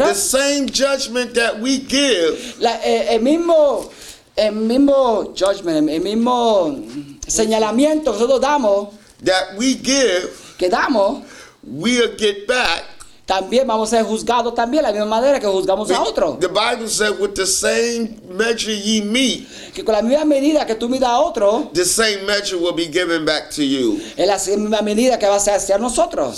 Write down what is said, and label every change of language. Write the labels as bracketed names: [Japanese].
[English] The same judgment that we give. [Spanish] El mismo judgment, el mismo señalamiento que nosotros damos. [English] That we give. [Spanish] Que damos. [English] We'll get back. [Spanish] También vamos a ser juzgados también la misma manera que juzgamos a otro. [English] The Bible said with the same measure ye meet. [Spanish] Que con la misma medida que tú midas a otro. [English] The same measure will be given back to you. [Spanish] Es la misma medida que vas a hacer nosotros.